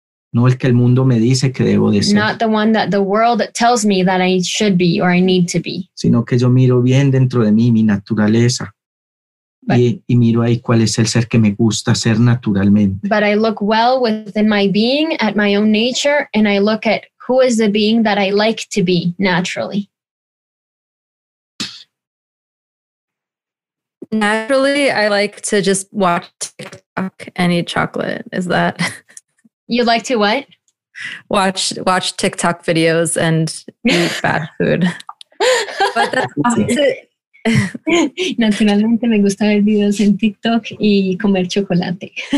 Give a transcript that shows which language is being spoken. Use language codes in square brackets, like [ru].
[es] No el que el mundo me dice que debo de ser. [en] Not the one that the world tells me that I should be or I need to be. [es] Sino que yo miro bien dentro de mí mi naturaleza. Y miro ahí cuál es el ser que me gusta ser naturalmente. [en] But I look well within my being at my own nature and I look at who is the being that I like to be naturally. Naturally, I like to just watch TikTok and eat chocolate. Is that... You like to what? Watch TikTok videos and eat bad food. But that's awesome. [es] Naturalmente me gusta ver videos en TikTok y comer chocolate.